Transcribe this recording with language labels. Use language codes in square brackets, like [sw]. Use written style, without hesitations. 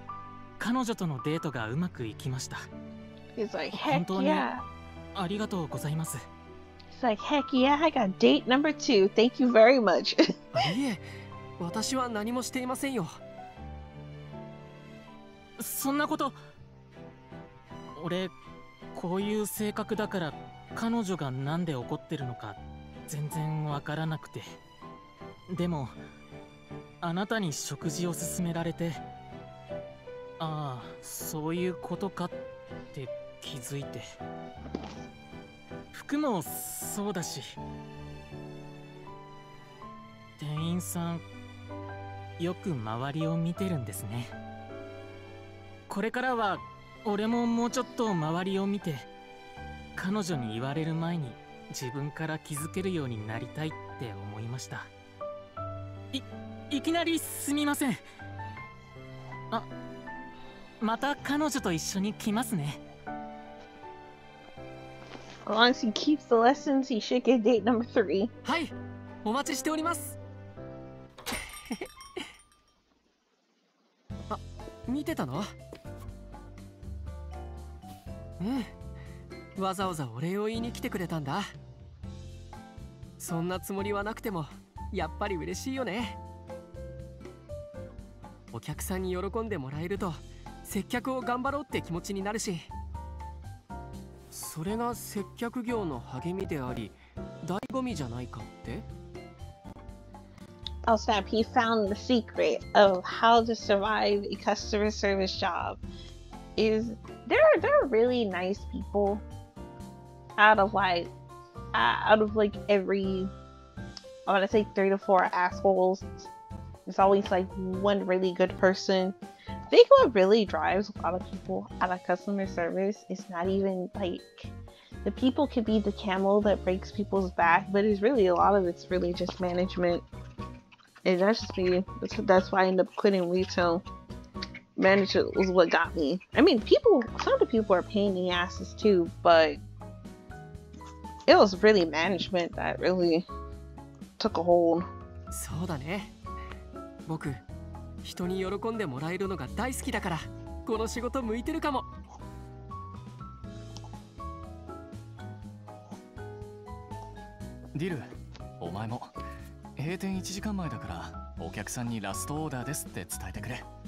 [ja] どうも。お連れの方はいらっしゃらないんですね。彼女には駅の喫茶店で待っててもらって、個人的にお礼を言いたくて来たんです。あなたのおかげで彼女とのデートがうまくいきました。 [en] He's like, heck yeah. [ja] 本当にありがとうございます。 [en] It's like, heck yeah, I got date number two. Thank you very much. [ja] いえ、私は何もしていませんよ。そんなこと、俺、こういう性格だから、彼女がなんで怒ってるのか全然わからなくて。でもあなたに食事を勧められて、ああそういうことかって気づいて、服もそうだし、店員さんよく周りを見てるんですね。これからは俺ももうちょっと周りを見て、彼女に言われる前に自分から気づけるようになりたいって思いました。いきなりすみません。あ、また彼女と一緒に来ますね。 [en] As long as he keeps the lessons, he should get date number three. [ja] はい、お待ちしております。あ、見てたの？うん、わざわざお礼を言いに来てくれたんだ。そんなつもりはなくてもやっぱり嬉しいよね。お客さんに喜んでもらえると接客を頑張ろうって気持ちになるし、それが接客業の励みであり醍醐味じゃないかって。 [en] Oh snap, he found the secret of how to survive a customer service job. Is there are really nice people out of like every, I want to say 3 to 4 assholes, there's always like one really good person. I think what really drives a lot of people out of customer service is not even like, the people could be the camel that breaks people's back, but it's really a lot of it's really just management. And that's just me. That's why I end up quitting retail. Management was what got me. I mean, some of the people are pain in the asses too, but it was really management that really took a hold. [ja] そうだね。僕、人に喜んでもらえるのが大好きだから、この仕事向いてるかも。ディル、お前も閉店1時間前だから、お客さんにラストオーダーですって伝えてくれ。